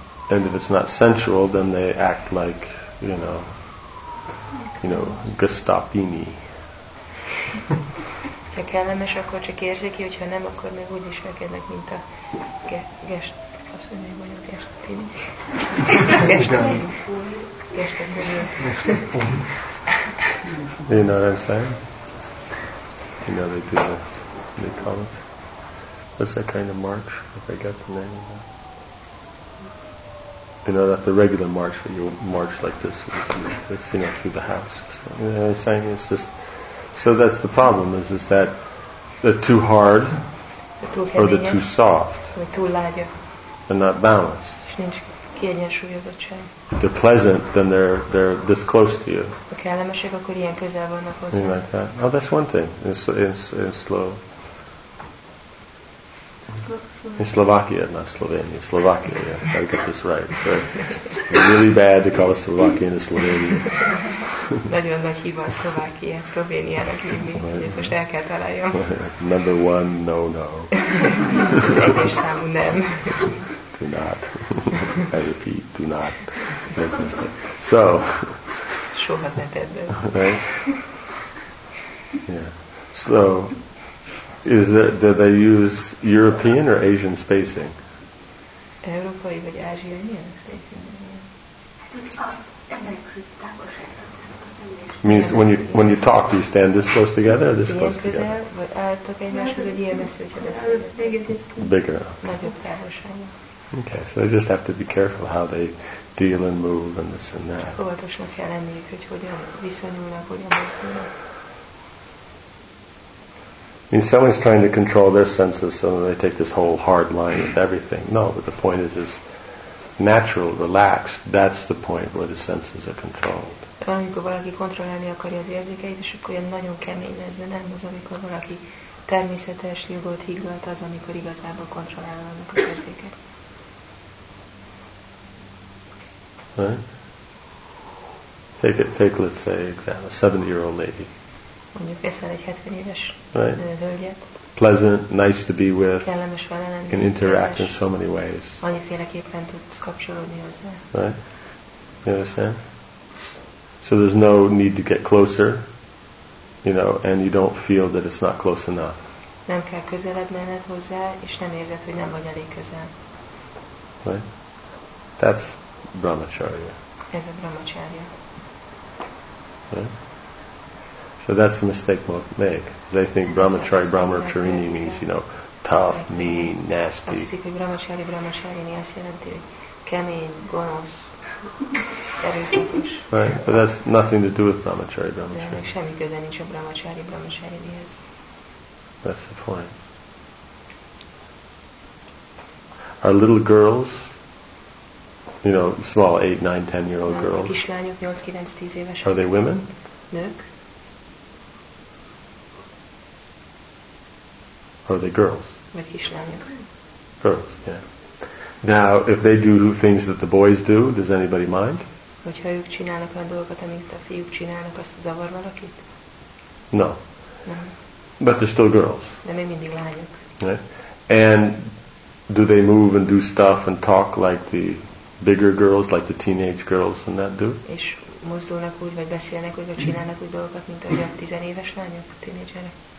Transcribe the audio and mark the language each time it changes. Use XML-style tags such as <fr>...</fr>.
<en>And if it's not sensual, then they act like, you know, Gestapini.</en> <hu>Ha kellemes, akkor csak érzéki, hogyha nem, akkor még úgy is viselkednek, mint a Gestapini.</hu> <en>You know what I'm saying? You know they do they call it. What's that kind of march? I forget the name of that. You know, that the regular march, that you march like this, it's, you know, through the house. So, you know what I'm saying? It's just, so that's the problem, is that they're too hard, or they're too soft.</en> <hu>Vagy túl lágya.</hu> <en>They're not balanced.</en> <hu>És nincs kiegyensúlyozottság.</hu> <en>If they're pleasant, then they're this close to you.</en> <hu>Ha kellemesek, akkor ilyen közel vannak hozzá.</hu> <en>Something like that. Oh, that's one thing. It's slow. In Slovakia, not Slovenia. Slovakia, yeah. I got this right. It's really bad to call a Slovakian a Slovenian.</en> <hu>Nagyon nagy hiba a Szlovákia, Szlovéniának hívni, hogy ezt most el kell találjam.</hu> <en>Number one, no.</en> <hu>Egyes számú nem.</hu> <en>Do not. I repeat, do not. So.</en> <hu>Soha ne tedd el.</hu> <en>Right? Yeah. So. Is that do they use European or Asian spacing?</en> <hu>Európai vagy ázsiai milyen</hu> <en>spacing? Means when you talk, do you stand this close together or this close together?</en> <hu>Ilyen közel, vagy álltok egymáshoz, vagy ilyen messze, hogyha beszélek.</hu> <en>Bigger.</en> <hu>Nagyobb távolságban.</hu> <en>Okay, so they just have to be careful how they deal and move and this and that.</en> <hu>Óvatosnak kell lenniük, hogy hogyan viszonyulnak, hogyan mozdulnak.</hu> <en>I mean, someone's trying to control their senses, so they take this whole hard line with everything. No, but the point is natural, relaxed. That's the point where the senses are controlled.</en> <hu>Amikor valaki kontrollálni akarja az érzékeit, és akkor ilyen nagyon kemény lesz, de nem az, amikor valaki természetes, nyugodt, higgadt, az, amikor igazából kontrollálja annak az érzéket.</hu> <en>Right? Take let's say, example, a 70-year-old lady.</en> <hu>Mondjuk veszel egy 70 éves hölgyet.</hu> <en>Pleasant, nice to be with.</en> <hu>Kellemes vele lenni.</hu> <en>Can interact in so many ways.</en> <hu>Annyiféleképpen tudsz kapcsolódni hozzá.</hu> <en>Right? You understand? So there's no need to get closer, you know, and you don't feel that it's not close enough.</en> <hu>Nem kell közelebb menned hozzá, és nem érzed, hogy nem vagy elég közel.</hu> <en>Right? That's brahmacharya. as a brahmacharya. So that's the mistake most make. They think brahmacharya, brahmacharini means, you know, tough, mean, nasty.</en> <hu>Azt hiszik, hogy brahmacharya, brahmacharini azt jelenti, hogy kemény, gonosz, erőszakos.</hu> <en>Right, but that's nothing to do with brahmacharya, brahmacharini.</en> <hu>De semmi köze nincs a brahmacharya, brahmacharini.</hu> <en>That's the point. Our little girls, you know, small 8, 9, 10 year old girls.</en> <hu>Kislányok 8, 9, 10 évesek.</hu> <en>Are they women?</en> <hu>Nők.</hu> <en>Are they girls?</en> <hu>Vagy kislányok.</hu> <en>Girls, yeah. Now, if they do things that the boys do, does anybody mind?</en> <hu>Hogyha ők csinálnak olyan dolgokat, amit a fiúk csinálnak, azt zavar valakit?</hu> <en>No.</en> <hu>Nem.</hu> <en>But they're still girls.</en> <hu>De még mindig lányok.</hu> <en>Right? And do they move and do stuff and talk like the bigger girls, like the teenage girls, and that do?</en> <hu>És mozdulnak úgy, vagy beszélnek úgy, vagy csinálnak úgy dolgokat, mint a 10 éves lányok, tínédzserek?</hu>